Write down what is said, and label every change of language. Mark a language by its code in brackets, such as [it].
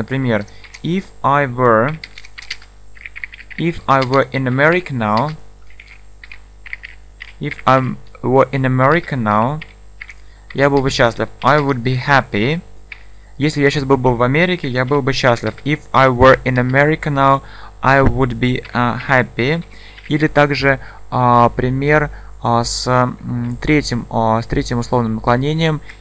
[ru] Например, [en] if I were in America now, [ru] я был бы счастлив. [en] I would be happy. [ru] Если я сейчас был бы в Америке, я был бы счастлив. [en] If I were in America now, I would be happy. [ru] Или также пример с третьим условным наклонением.